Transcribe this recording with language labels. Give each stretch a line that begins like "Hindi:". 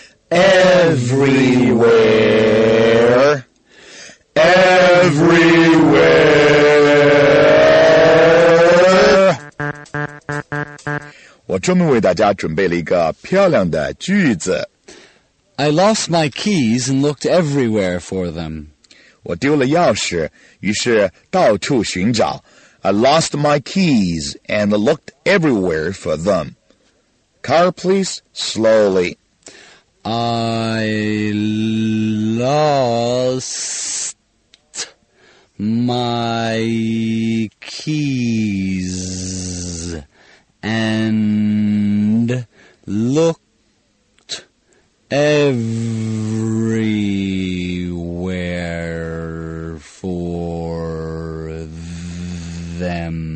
English: Everywhere. Everywhere.
Chinese: 我专门为大家准备了一个漂亮的句子。
English: I lost my keys and looked everywhere for them.
Chinese: 我丢了钥匙，于是到处寻找。
English: I lost my keys and looked everywhere for them. Car, please, slowly. I lost my keys and looked everywhere for them.